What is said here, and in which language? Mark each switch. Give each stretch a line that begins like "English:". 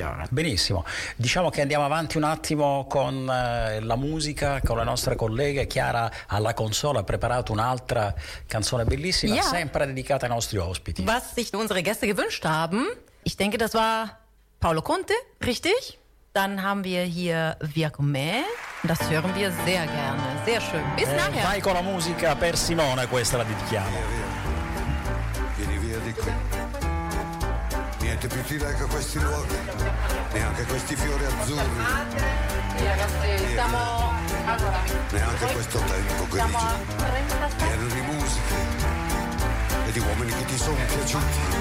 Italian: Benissimo, diciamo che andiamo avanti un attimo con la musica, con la nostra collega Chiara alla console, ha preparato un'altra canzone bellissima, ja, sempre dedicata ai nostri ospiti.
German: Was sich unsere Gäste gewünscht haben, ich denke das war Paolo Conte, richtig? Dann haben wir hier Via Comè. Das hören wir sehr gerne. Sehr schön. Bis nachher.
Italian: Vai con la musica per Simone, questa la dedichiamo. Vieni via. Vieni via di qui. Niente più ti leggo questi luoghi. Neanche questi fiori azzurri. Via, ragazzi, siamo. Allora. Neanche questo tempo grigio. Pieno di musiche. E di uomini che ti sono piaciuti.